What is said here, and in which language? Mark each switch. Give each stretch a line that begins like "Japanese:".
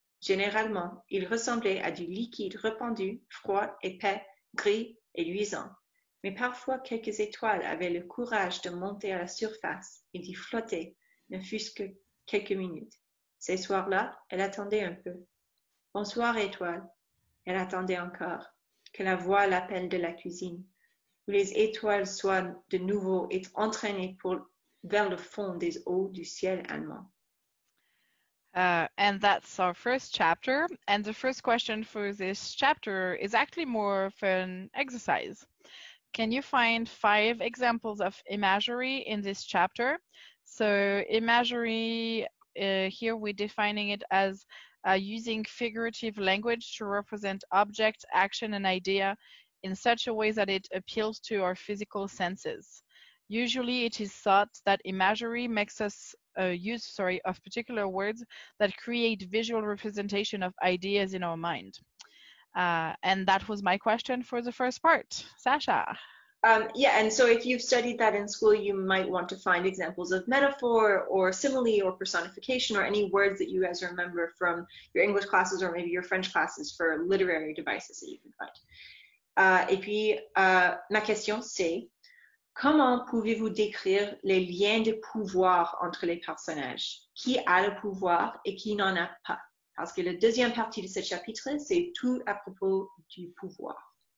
French: Généralement, il ressemblait à du liquide répandu, froid, épais, gris et luisant, mais parfois quelques étoiles avaient le courage de monter à la surface et d'y flotter, ne fût-ce que quelques minutes. Ces soirs-là, elle attendait un peu. « Bonsoir, étoile !» Elle attendait encore, que la voix l'appelle de la cuisine, où les étoiles soient de nouveau entraînées vers le fond des eaux du ciel allemand.
English: And that's our first chapter. And the first question for this chapter is actually more of an exercise. Can you find five examples of imagery in this chapter? So imagery, here we're defining it as using figurative language to represent object, action, and idea in such a way that it appeals to our physical senses. Usually it is thought that imagery makes us use of particular words that create visual representation of ideas in our mind. And that was my question for the first part. Sasha? And so if you've studied that in school, you might want to find examples of metaphor or simile or personification or any words that you guys remember from your English classes or maybe your French classes for literary devices that you can find.
French: Et puis, ma question, c'est comment pouvez-vous décrire les liens de pouvoir entre les personnages? Qui a le pouvoir et qui n'en a pas? Parce que la deuxième partie de ce chapitre, c'est tout à propos du pouvoir.